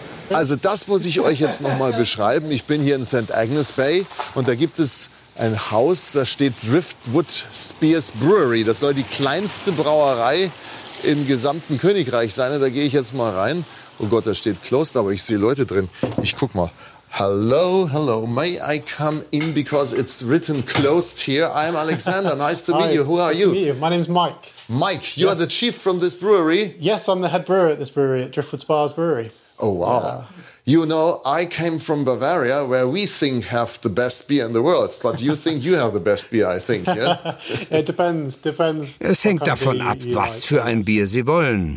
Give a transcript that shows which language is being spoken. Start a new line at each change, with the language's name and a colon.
German: Also das muss ich euch jetzt noch mal beschreiben. Ich bin hier in St. Agnes Bay und da gibt es ein Haus, da steht Driftwood Spears Brewery. Das soll die kleinste Brauerei im gesamten Königreich sein. Da gehe ich jetzt mal rein. Oh Gott, da steht closed, aber ich sehe Leute drin. Ich guck mal.
English: Hello, hello. May I come in because it's written closed here? I'm Alexander. Nice to meet you. Who are you? Nice to meet you. My name's Mike. Mike, you are the chief from this brewery. Yes, I'm the head brewer at this brewery, at Driftwood Spears Brewery. Oh, wow. Yeah. You know, I came from Bavaria, where we think have the best beer in the world. But you think you have the best beer, I think, yeah? It depends, depends.
German: Es hängt davon ab, was für ein Bier Sie wollen.